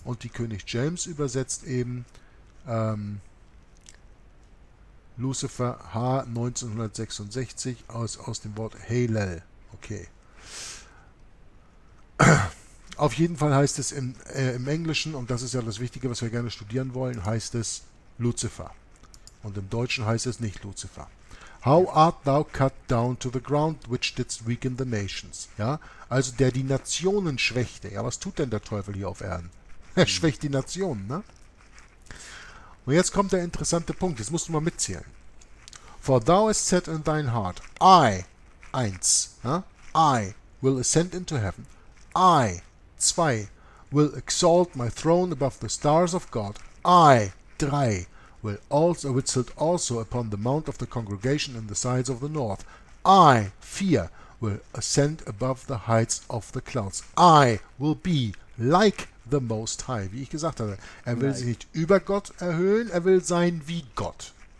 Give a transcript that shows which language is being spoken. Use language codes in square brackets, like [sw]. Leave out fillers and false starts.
[de] Und die König James übersetzt eben Lucifer H. 1966 aus dem Wort Heilel. Okay. Auf jeden Fall heißt es im Englischen, und das ist ja das Wichtige, was wir gerne studieren wollen, heißt es Lucifer. Und im Deutschen heißt es nicht Lucifer. [en] How art thou cut down to the ground, which didst weaken the nations? [de] Ja? Also der die Nationen schwächte. Ja, was tut denn der Teufel hier auf Erden? Er schwächt die Nationen, ne? Und jetzt kommt der interessante Punkt, jetzt musst du mal mitzählen. [en] For thou hast set in thine heart, I, 1, ja? I will ascend into heaven, I, 2, will exalt my throne above the stars of God, I, 3, will sit also upon the mount of the congregation in the sides of the north, I, 4, will ascend above the heights of the clouds, I will be like the Most High, [de] wie ich gesagt habe, er will sich nicht über Gott erhöhen, er will sein wie Gott.